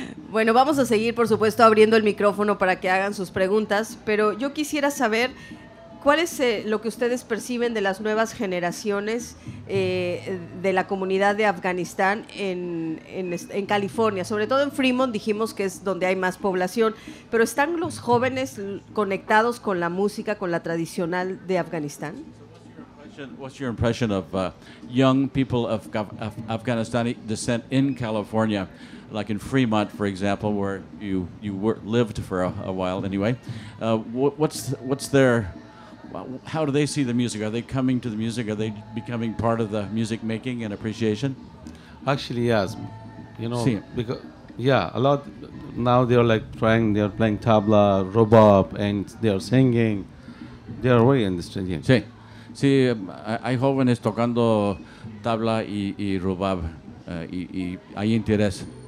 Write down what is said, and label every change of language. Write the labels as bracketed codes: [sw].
[es] Bueno, vamos a seguir, por supuesto, abriendo el micrófono para que hagan sus preguntas, pero yo quisiera saber, ¿cuál es lo que ustedes perciben de las nuevas generaciones de la comunidad de Afganistán en California? Sobre todo en Fremont, dijimos que es donde hay más población, pero ¿están los jóvenes conectados con la música, con la tradicional de Afganistán? [en] What's your impression of young people of Afghanistani descent in California, like in Fremont, for example, where you lived for a while anyway? What's their... How do they see the music? Are they coming to the music? Are they becoming part of the music making and appreciation? Actually, yes. You know, because a lot now they are like playing tabla, rubab, and they are singing. They are very interested. [es] Sí, sí. Hay jóvenes tocando tabla y rubab, y hay interés.